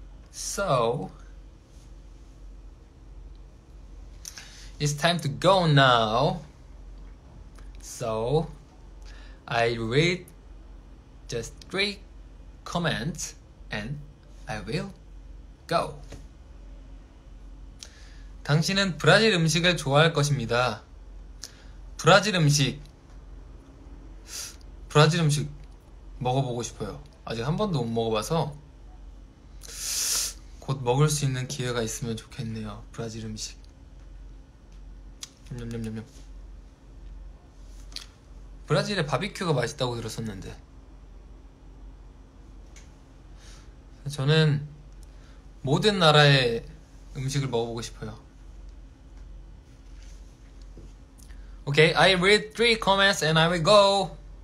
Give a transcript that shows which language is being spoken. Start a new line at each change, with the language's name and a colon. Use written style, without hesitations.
English: So it's time to go now. So I read just three comments and I will go.
Korean: 당신은 브라질 음식을 좋아할 것입니다. 브라질 음식. 브라질 음식. 먹어보고 싶어요. 아직 한 번도 못 먹어봐서 곧 먹을 수 있는 기회가 있으면 좋겠네요. 브라질 음식. 냠냠냠냠. 브라질에 바비큐가 맛있다고 들었었는데. 저는 모든 나라의 음식을 먹어보고 싶어요.
English: Okay, I read three comments and I will go.